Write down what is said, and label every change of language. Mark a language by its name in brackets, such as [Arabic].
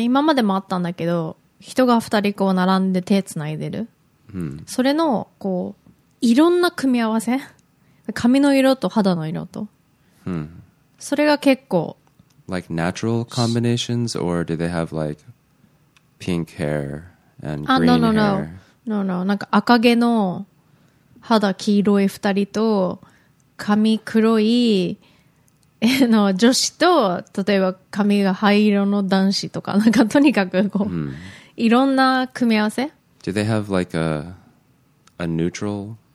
[Japanese] 今までもあったんだけど、人が二人こう並んで手つないでる、うん、それのこういろんな組み合わせ、髪の色と肌の色と、うん、それが結構 [English] like natural combinations or do they have like pink hair and green hair? No. [Japanese] なんか赤毛の肌黄色い二人と髪黒いの女子と例えば髪が灰色の男子とかなんかとにかくこう、mm. いろんな組み合わせ。 [English] Do they have like a neutral?